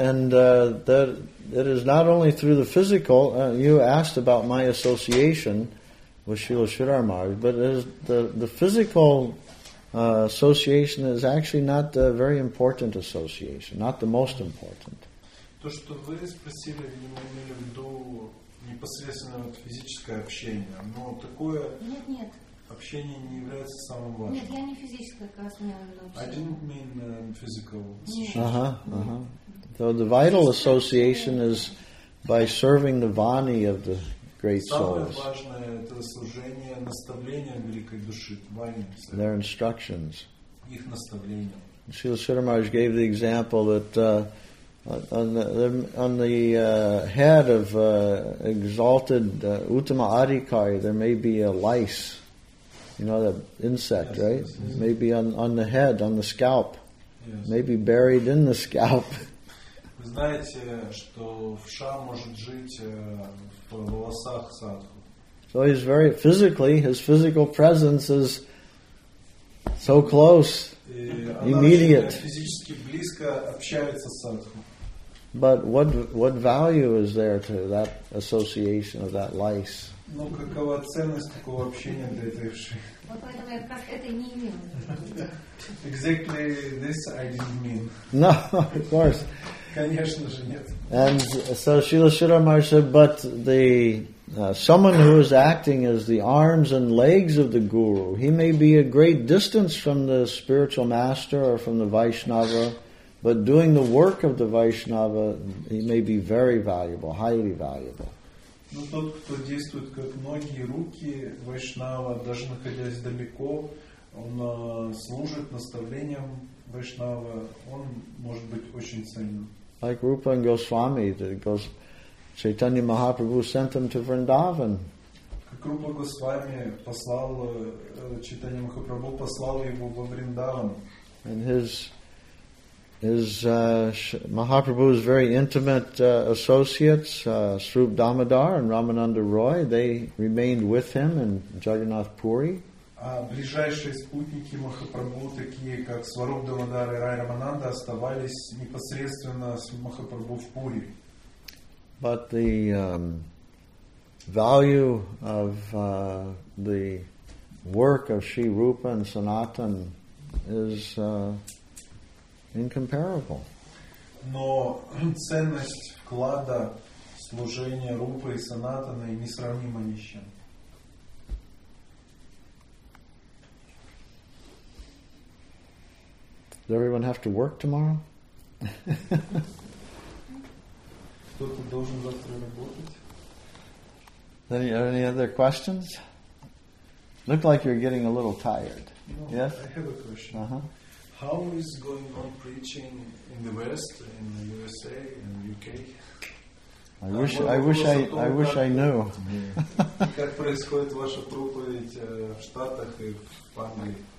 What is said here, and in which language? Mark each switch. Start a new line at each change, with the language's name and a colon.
English: And that it is not only through the physical. You asked about my association with Srila Sridhara Maharaj, but it is the physical association is actually not a very important association, not the most important.
Russian: То, что вы спросили, видимо, имели в виду непосредственно вот физическое общение, но такое. Нет. Общение не является самым важным. Нет, я не физическое, как раз не имею в виду.
English: I didn't mean physical. So the vital association is by serving the vani of the great souls.
Russian: Самое важное это служение наставлением великой души, вани.
English: Their instructions.
Russian: Их наставления.
English: Srila Sridhara Maharaj gave the example that on the head of exalted Uttama Adhikari there may be a lice. You know that insect, yes, right? Yes, yes. Maybe on the head, on the scalp. Yes. Maybe buried in the scalp.
Russian: Вы знаете, что вша может жить в волосах садху.
English: So he's very physically, his physical presence is so close, immediate.
Russian: Физически близко общается с садху.
English: But what value is there to that association of that lice?
Russian: Ну, какова ценность такого общения для этой вши? Вот поэтому я как это не имела.
English: Exactly this I didn't mean. No, of course.
Russian: Конечно же, нет.
English: And so Srila Sridhara Maharaj said, but the someone who is acting as the arms and legs of the guru, he may be a great distance from the spiritual master or from the Vaishnava, but doing the work of the Vaishnava, he may be very valuable, highly valuable.
Russian: Но тот, кто действует как ноги и руки Вайшнава, даже находясь далеко, он служит наставлением Вайшнава, он может быть очень ценным.
English: Like Rupa and Goswami, that goes, Chaitanya Mahaprabhu sent him to Vrindavan.
Russian: Как Рупа Госвами послал, Чайтанья Махапрабху послал его во Вриндаван.
English: And His Mahaprabhu's very intimate associates, Sroop Damodar and Ramananda Roy, they remained with him in Jagannath Puri.
Russian: Ближайшие спутники Махапрабху, такие как Сваруп Дамодар и Рай Рамананда, оставались непосредственно с Махапрабху в Пури.
English: But the value of the work of Sri Rupa and Sanatan is incomparable.
Russian: Но ценность вклада служения Рупы и Санатаны несравнима ни с чем.
English: Does everyone have to work tomorrow?
Russian: Кто-то должен завтра работать.
English: Any, any other questions? Look like you're getting a little tired. No, yes? I have a question. Uh-huh. How is going on preaching in the West, in the USA, in the UK? I wish I knew.
Russian: Как происходит ваша проповедь в Штатах и в Англии?